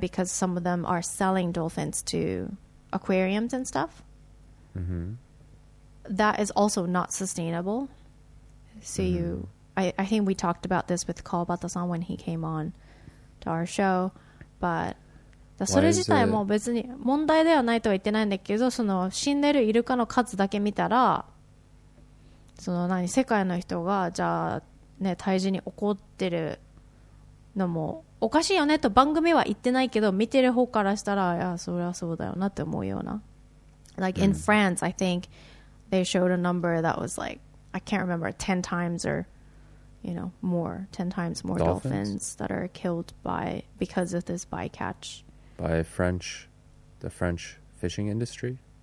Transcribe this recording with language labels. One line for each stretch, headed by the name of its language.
English: Because some of them are selling dolphins to aquariums and stuff. Mm-hmm. That is also not sustainable. So mm-hmm. I think we talked about this with Kawabata-san when he came on to our show, but...
Japanese: それ自体も別に問題ではないとは言ってないんだけど、その死んでるイルカの数だけ見たら、その何、世界の人が、じゃあ、ね、退治に怒ってるのもおかしいよねと番組は言ってないけど、見てる方からしたら、いや、それはそうだよなって思うような。
English: Like in France, I think they showed a number that was like, I can't remember, 10 times or, you know, more, 10 times more dolphins that are killed by, because of this bycatch. By French, the French fishing industry?